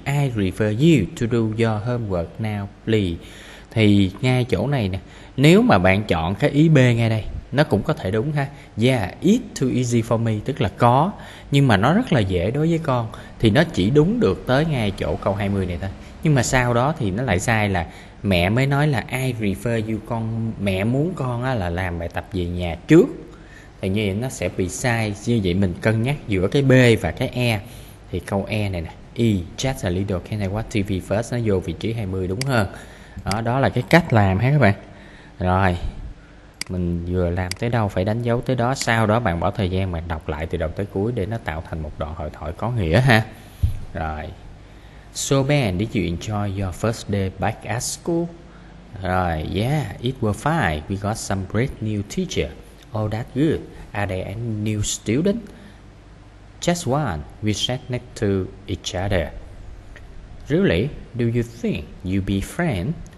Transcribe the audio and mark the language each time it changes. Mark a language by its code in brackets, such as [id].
[en] I prefer you to do your homework now, please. [vi] Thì ngay chỗ này nè, nếu mà bạn chọn cái ý B ngay đây, nó cũng có thể đúng ha. [en] Yeah, it's too easy for me, [vi] tức là có, nhưng mà nó rất là dễ đối với con. Thì nó chỉ đúng được tới ngay chỗ câu 20 này thôi. Nhưng mà sau đó thì nó lại sai, là mẹ mới nói là [en] I prefer you, [vi] con mẹ muốn con á, là làm bài tập về nhà trước. Thì như vậy nó sẽ bị sai. Như vậy mình cân nhắc giữa cái B và cái E. Thì câu E này nè, [en] E, just a little, can I watch TV first? [vi] Nó vô vị trí 20 đúng hơn. Đó, đó là cái cách làm ha các bạn. Rồi mình vừa làm tới đâu phải đánh dấu tới đó, sau đó bạn bỏ thời gian bạn đọc lại từ đầu tới cuối để nó tạo thành một đoạn hội thoại có nghĩa ha. [en] Rồi, so Ben, did you enjoy your first day back at school? Rồi, yeah, it was fine. We got some great new teacher. Oh, that's good. Are there any new student? Just one. We sat next to each other. Really, do you think you'll be friends?